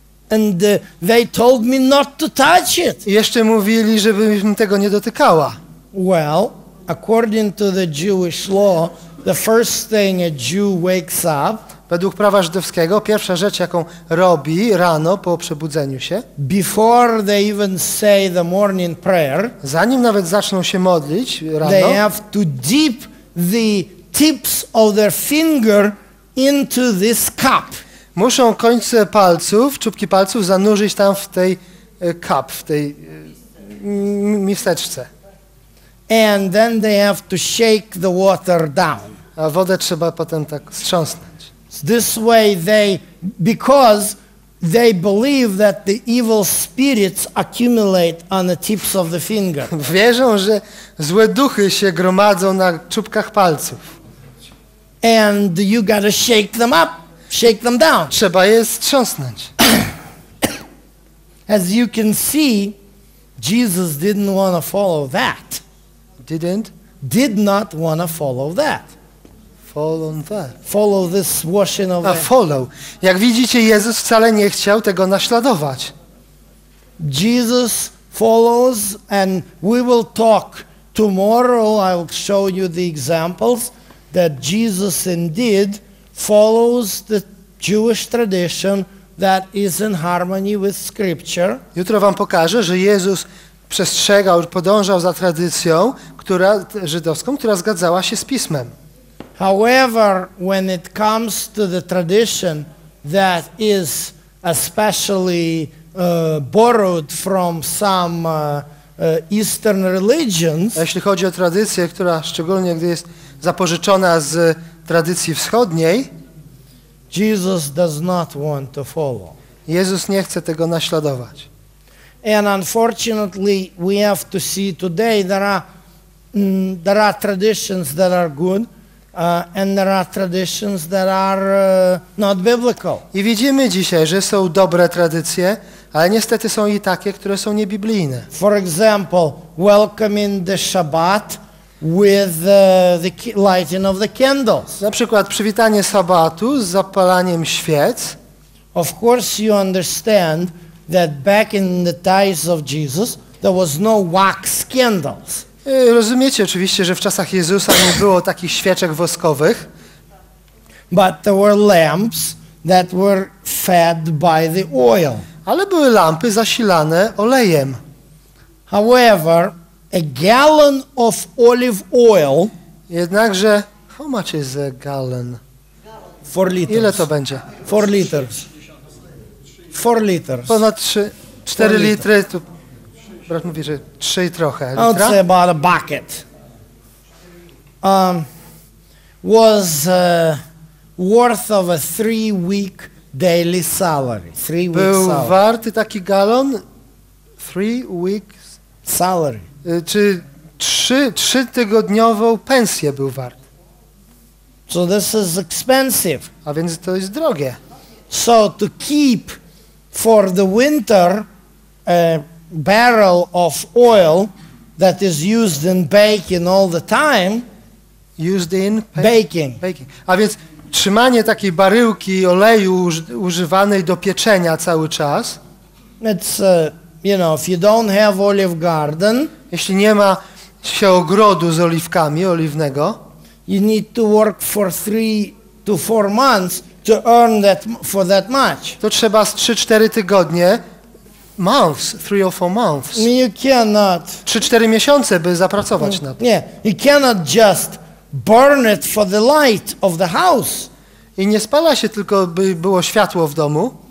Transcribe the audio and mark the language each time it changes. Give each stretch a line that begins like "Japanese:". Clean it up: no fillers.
English: And they told me not to touch it.
Polish: I jeszcze mówili, żebym tego nie dotykała.
English: Well, according to the Jewish law, the first thing a Jew wakes up.
Polish: Według prawa żydowskiego, pierwsza rzecz, jaką robi rano po przebudzeniu się,
English: before they even say the morning prayer,
Polish: zanim nawet zaczną się modlić rano,
English: they have to dip the tips of their finger into this cup.
Polish: Muszą końce palców, czubki palców zanurzyć tam w tej cup, w tej miseczce.
English: And then they have to shake the water down.
Polish: A wodę trzeba potem tak strząsnąć.
English: This way they, because they believe that the evil spirits accumulate on the tips of the finger.
Polish: Wierzą, że złe duchy się gromadzą na czubkach palców.
English: And you gotta shake them up, shake them down.
Polish: Trzeba je strząsnąć.
English: As you can see, Jesus didn't want to follow that. Didn't? Did not want to follow that. Follow that. Follow this washing of. A follow.
Polish: Jak widzicie, Jezus wcale nie chciał tego naśladować.
English: Jesus follows, and we will talk tomorrow. I'll show you the examples that Jesus indeed follows the Jewish tradition that is in harmony with Scripture.
Polish: Jutro wam pokażę, że Jezus przestrzegał, podążał za tradycją, która żydowską, która zgadzała się z Pismem.
English: However, when it comes to the tradition that is especially borrowed from some eastern religions,
Polish: jeśli chodzi o tradycję, która szczególnie gdy jest zapożyczona z tradycji wschodniej,
English: Jesus does not want to follow.
Polish: Jezus nie chce tego naśladować.
English: And unfortunately, we have to see today there are traditions that are good. And there are traditions that are not biblical.
Polish: I widzimy dzisiaj, że są dobre tradycje, ale niestety są i takie, które są niebiblijne.
English: For example, welcoming the Shabbat with the lighting of the candles.
Polish: Na przykład przywitanie Sabbatu z zapalaniem świec.
English: Of course you understand that back in the days of Jesus there was no wax candles.
Polish: Rozumiecie oczywiście, że w czasach Jezusa nie było takich świeczek woskowych.
English: But there were lamps that were fed by the oil.
Polish: Ale były lampy zasilane olejem.
English: However, a gallon of olive oil.
Polish: Jednakże,
English: how much is a gallon? 4 liters.
Polish: Ile to będzie?
English: 4 liters. 4 liters.
Polish: Ponad 4 litry. To... Brat mówi, że trzy i trochę. Litra?
English: I'll say about a bucket. Was worth of a 3-week daily salary.
Polish: Warty taki galon?
English: 3 weeks salary.
Polish: Czy trzytygodniową pensję był wart.
English: So this is expensive.
Polish: A więc to jest drogie.
English: So to keep for the winter barrel of oil that is used in baking all the time. Used in baking. Baking.
Polish: A więc trzymanie takiej baryłki oleju używanej do pieczenia cały czas.
English: It's, you know, if you don't have olive garden.
Polish: Jeśli nie ma się ogrodu z oliwkami, oliwnego.
English: You need to work for 3 to 4 months to earn that for that much.
Polish: To trzeba z 3-4 tygodnie.
English: Months, 3 or 4 months. You cannot.
Polish: 3-4 miesiące, by zapracować na to. Nie,
English: you cannot just burn it for the light of the house.
Polish: I nie spala się tylko, by było światło w domu.